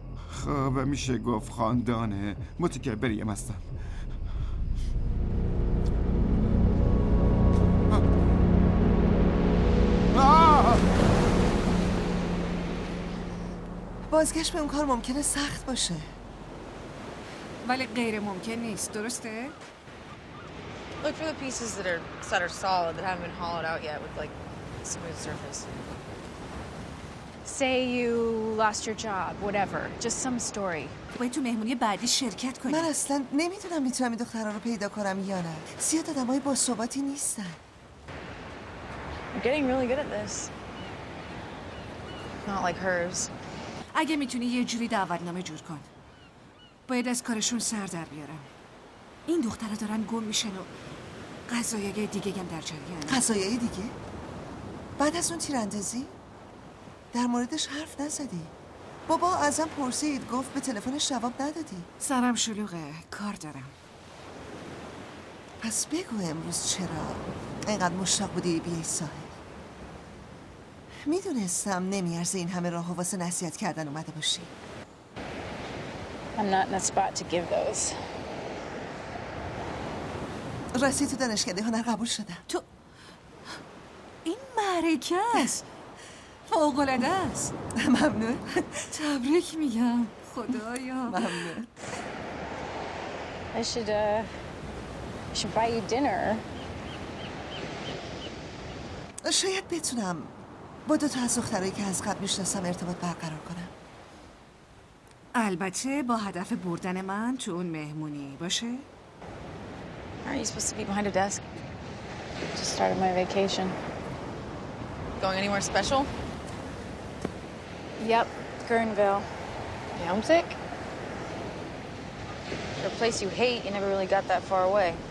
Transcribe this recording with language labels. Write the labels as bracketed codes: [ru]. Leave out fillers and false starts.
[fa] خب میشه گفت خاندانه متکبریم هستم. بازگشت به اون کار ممکنه سخت باشه، ولی غیر ممکن نیست، درسته؟ [en] Look for the pieces that are solid that haven't been hollowed out yet with like smooth surface. Say you lost your job, whatever, just some story. [fa] باید تو مهمونی بعدی شرکت کنی. من اصلا نمیتونم این دخترها رو پیدا کنم یا نه. زیاد آدمای باثباتی نیستن. [en] You're getting really good at this. Not like hers. [fa] اگه میتونی یه جوری دعوتنامه جور کن. باید از کارشون سر در بیارم. این دخترها دارن گم میشن و قضایای دیگه هم در جریان. قضایای دیگه؟ بعد از اون تیراندازی؟ در موردش حرف نزدی. بابا ازم پرسید، گفت به تلفنش جواب ندادی. سرم شلوغه، کار دارم. پس بگو امروز چرا اینقدر مشتاق بودی بیای ساحل. میدونستم نمیارزه این همه راه و واسه نصیحت کردن اومده باشی. [en] I'm not in a spot to give those. [fa] راستی تو دانشکده هنر قبول شدم. تو این معرکه است. فوق‌العاده است. ممنون. تبریک میگم. خدایا. ممنون. [en] I should buy you dinner. [fa] شاید بتونم با دو تا از دخترایی که از قبل میشناسم ارتباط برقرار کنم. البته با هدف بردن من تو اون مهمونی باشه. [en] Are you supposed to be behind a desk? Just started my vacation. Going anywhere special? Yep, Guerneville. Yeah, I'm sick. A place you hate, you never really got that far away.